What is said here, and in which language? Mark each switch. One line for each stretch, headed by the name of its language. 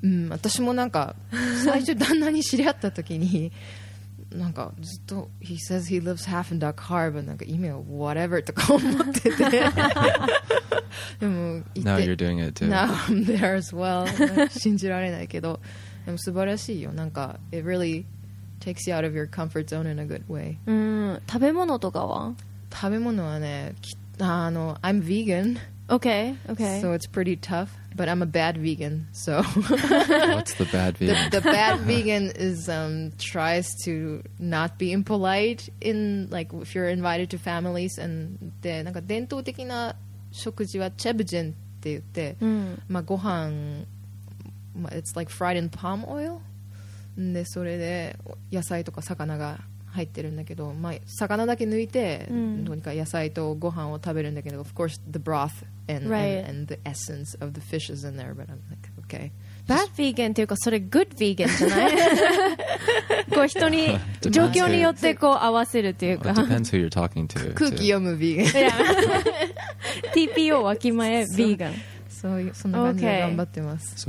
Japanese: 私もなんか最初旦那に知り合った時になんかずっと
English: He says he lives half in Dakar but
Japanese: なんか意味は whatever とか思っててでも行って、
English: Now you're doing it too. Now I'm there as well.
Japanese: 信じられないけど、でも素晴らしいよ。
English: なんか It reallyTakes you out of your comfort zone in a good way.
Japanese: 食べ物とかは？食べ物はね、
English: I'm vegan. Okay, okay. So it's pretty tough, but I'm a bad vegan, so... What's the bad vegan? The bad vegan is, tries to not be impolite in, like, if you're invited to families.
Japanese: And で、なんか伝統的な食事はチェブジェンって言って、まあご飯、まあ、
English: it's like fried in palm oil.
Japanese: でそれで野菜とか魚が入ってるんだけど、まあ、魚だけ抜いてどうにか野菜とご飯を食べるんだけど、
English: Of course the broth and, right. and the essence of the fish is in there, but I'm like, okay.
Japanese: Bad vegan っていうかそれ
English: good vegan
Japanese: じゃない？こう人に状況によってこう合わせるっていうか。
English: It depends who you're talking to.
Japanese: 空気読む vegan.
English: Yeah. TPO
Japanese: わきまえ
English: vegan.
Japanese: そんな感じで頑張ってます。